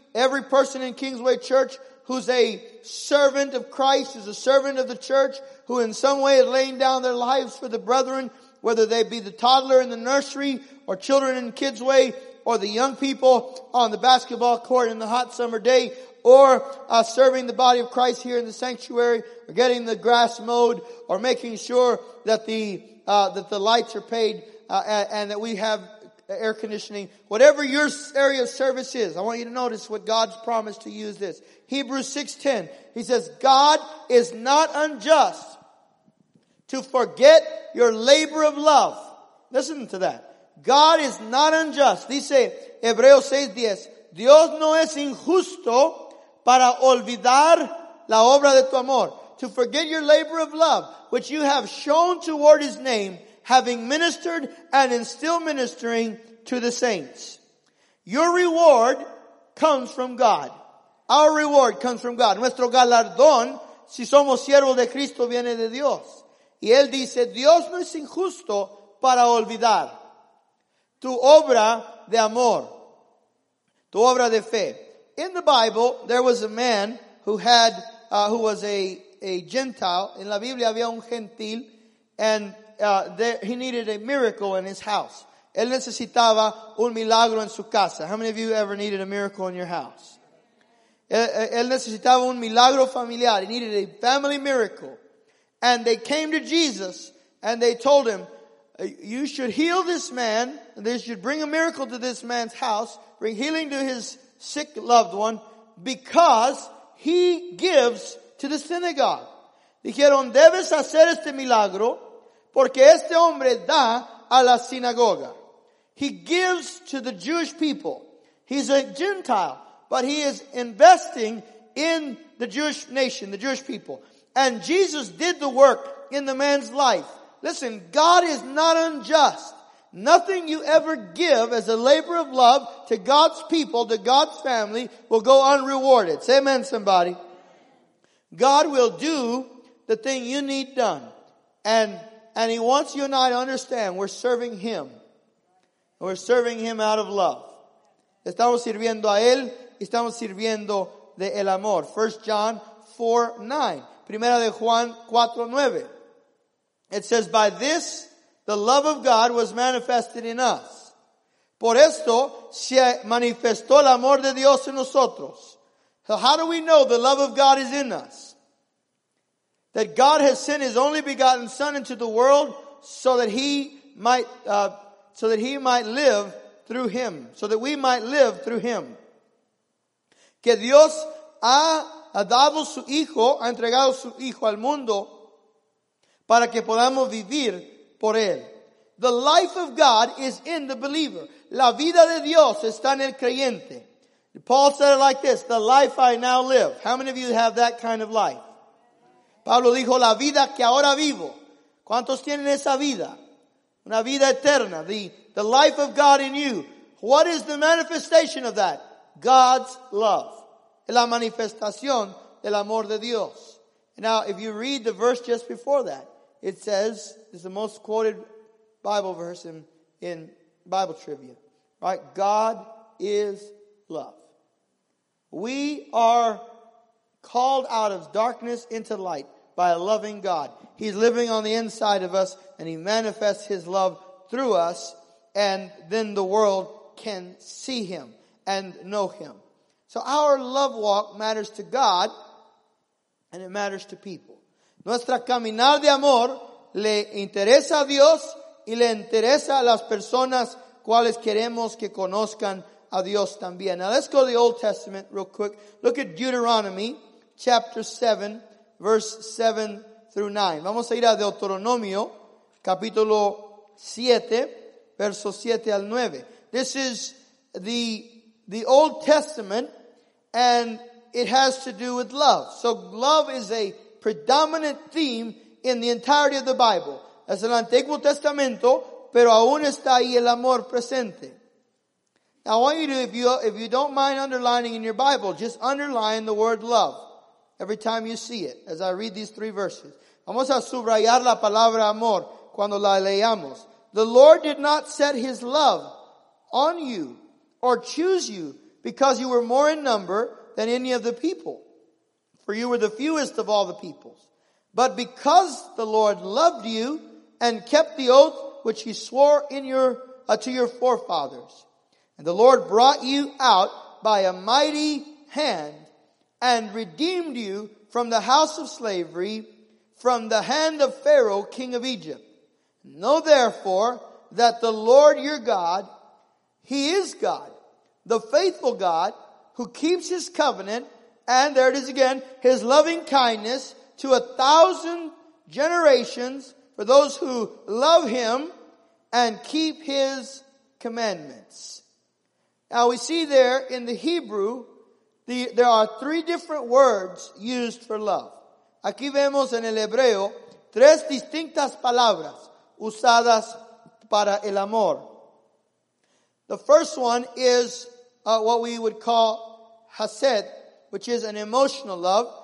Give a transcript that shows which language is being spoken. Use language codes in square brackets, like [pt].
[en] Every person in Kingsway Church who's a servant of Christ, who's a servant of the church, who in some way is laying down their lives for the brethren, whether they be the toddler in the nursery, or children in Kidsway, or the young people on the basketball court in the hot summer day, or serving the body of Christ here in the sanctuary, or getting the grass mowed, or making sure that the lights are paid, and that we have air conditioning. Whatever your area of service is, I want you to notice what God's promise to you is this. Hebrews 6:10, He says, God is not unjust to forget your labor of love. Listen to that. God is not unjust. [es] Dice, Hebreos 6:10, Dios no es injusto para olvidar la obra de tu amor. [en] To forget your labor of love, which you have shown toward His name, having ministered and in still ministering to the saints. Your reward comes from God. Our reward comes from God. [es] Nuestro galardón, si somos siervos de Cristo, viene de Dios. Y Él dice, Dios no es injusto para olvidar tu obra de amor, tu obra de fe. [en] In the Bible, there was a man who was a Gentile. [es] En la Biblia había un gentil, [en] and he needed a miracle in his house. [es] Él necesitaba un milagro en su casa. [en] How many of you ever needed a miracle in your house? [es] Él necesitaba un milagro familiar. [en] He needed a family miracle. And they came to Jesus and they told him, you should heal this man. They should bring a miracle to this man's house. Bring healing to his sick loved one, because he gives to the synagogue. [es] Dijeron, debes hacer este milagro porque este hombre da a la sinagoga. [en] He gives to the Jewish people. He's a Gentile, but he is investing in the Jewish nation, the Jewish people. And Jesus did the work in the man's life. Listen, God is not unjust. Nothing you ever give as a labor of love to God's people, to God's family, will go unrewarded. Say amen, somebody. God will do the thing you need done. And He wants you and I to understand we're serving Him. We're serving Him out of love. [es] Estamos sirviendo a Él. Estamos sirviendo de el amor. [en] 1 John 4:9. [es] Primera de Juan 4:9. [en] It says, by this, the love of God was manifested in us, [es] Por esto se manifestó el amor de Dios en nosotros. [en] So how do we know the love of God is in us? That God has sent His only begotten Son into the world so that He might live through Him. So that we might live through Him. [es] Que Dios ha dado su Hijo, ha entregado su Hijo al mundo para que podamos vivir por Él. [en] The life of God is in the believer. [es] La vida de Dios está en el creyente. [en] Paul said it like this, the life I now live. How many of you have that kind of life? [es] Pablo dijo, la vida que ahora vivo. ¿Cuántos tienen esa vida? Una vida eterna. [en] The life of God in you. What is the manifestation of that? God's love. [es] La manifestación del amor de Dios. [en] Now, if you read the verse just before that, it says, it's the most quoted Bible verse in Bible trivia. Right? God is love. We are called out of darkness into light by a loving God. He's living on the inside of us and He manifests His love through us, and then the world can see Him and know Him. So our love walk matters to God and it matters to people. [es] Nuestra caminar de amor le interesa a Dios y le interesa a las personas cuales queremos que conozcan a Dios también. [en] Now let's go to the Old Testament real quick. Look at Deuteronomy chapter 7, verse 7 through 9. [es] Vamos a ir a Deuteronomio, capítulo 7, verso 7 al 9. [en] This is the Old Testament, and it has to do with love. So love is a predominant theme in the entirety of the Bible. [es] Es el Antiguo Testamento, pero aún está ahí el amor presente. [en] Now I want you to, if you don't mind underlining in your Bible, just underline the word love every time you see it as I read these three verses. [es] Vamos a subrayar la palabra amor cuando la leamos. [en] The Lord did not set His love on you or choose you because you were more in number than any of the people, for you were the fewest of all the peoples. But because the Lord loved you and kept the oath which He swore to your forefathers. And the Lord brought you out by a mighty hand and redeemed you from the house of slavery, from the hand of Pharaoh, king of Egypt. Know therefore that the Lord your God, He is God, the faithful God who keeps His covenant, and there it is again, His loving kindness to a thousand generations for those who love Him and keep His commandments. Now we see there in the Hebrew, there are three different words used for love. [es] Aquí vemos en el Hebreo tres distintas palabras usadas para el amor. [en] The first one is what we would call hased, which is an emotional love.